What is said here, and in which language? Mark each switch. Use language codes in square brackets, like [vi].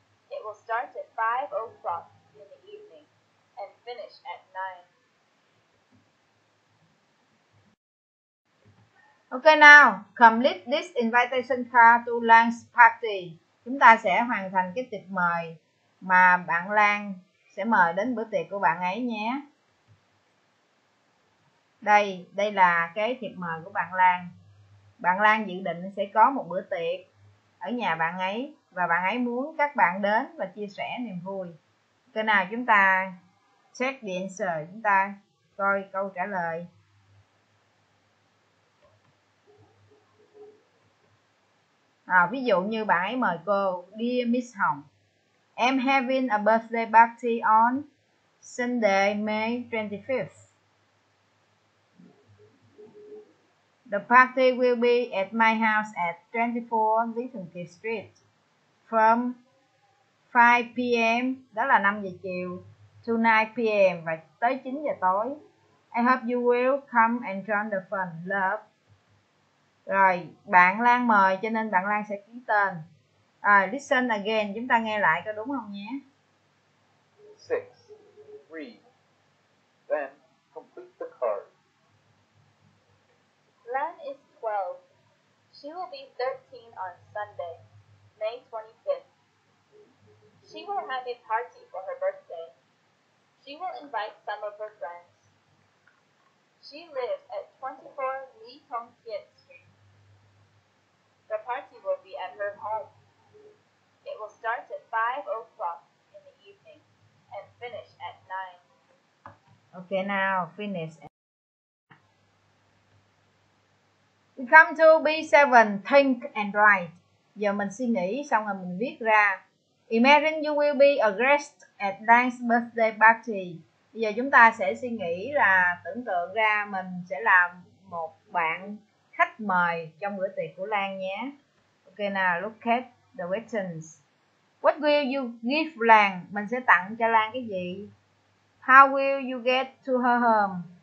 [en] It will start at 5 o'clock in the evening and finish at 9. Okay now, complete this invitation card to Lan's party. [vi] Chúng ta sẽ hoàn thành cái tiệc mời mà bạn Lan sẽ mời đến bữa tiệc của bạn ấy nhé. Đây, đây là cái thiệp mời của bạn Lan. Bạn Lan dự định sẽ có một bữa tiệc ở nhà bạn ấy và bạn ấy muốn các bạn đến và chia sẻ niềm vui. Cái nào chúng ta [en] check the answer, [vi] chúng ta coi câu trả lời. À, ví dụ như bạn ấy mời cô, [en] Dear Miss Hồng, I'm having a birthday party on Sunday, May 25th. The party will be at my house at 24 Lý Thường Kiệt Street from 5 p.m. [vi] đó là 5 giờ chiều [en] to 9 p.m. [vi] và tới 9 giờ tối. [en] I hope you will come and join the fun. Love. [vi] Rồi, bạn Lan mời cho nên bạn Lan sẽ ký tên. Rồi, [en] listen again, [vi] chúng ta nghe lại có đúng không nhé? [en] 6. Read. Then, complete the card. Lan is 12. She will be 13 on Sunday, May 25th. She will have a party for her birthday. She will invite some of her friends. She lives at 24 Lee Tong Kiat Street. The party will be at her home. It will start at 5 o'clock in the evening and finish at 9. Okay, now finish. We come to B7, think and write. [vi] Giờ mình suy nghĩ xong rồi mình viết ra. [en] Imagine you will be a guest at Dan's birthday party. [vi] Bây giờ chúng ta sẽ suy nghĩ là tưởng tượng ra mình sẽ là một bạn khách mời trong bữa tiệc của Lan nhé. [en] Ok nào, look at the questions. What will you give Lan? [vi] Mình sẽ tặng cho Lan cái gì? [en] How will you get to her home?